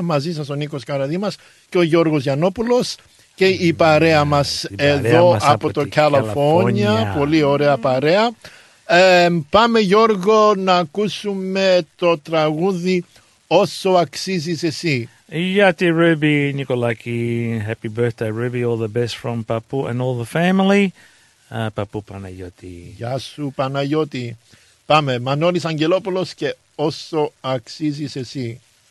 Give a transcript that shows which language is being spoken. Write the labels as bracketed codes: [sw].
[el] Μαζί σας ο Νίκος Καραδήμας και ο Γιώργος Γιαννόπουλος και η παρέα μας εδώ από το Καλιφόρνια. Πολύ ωραία παρέα. Πάμε Γιώργο να ακούσουμε το τραγούδι «Όσο αξίζεις εσύ». Γεια τη Ρούμπι, Νικολάκη. [en] Happy birthday, Ρούμπι. All the best from Παππού and all the family. [el] Παππού Παναγιώτη. Γεια σου, Παναγιώτη. Πάμε. Μανώλης Αγγελόπουλος και «Όσο αξίζεις εσύ».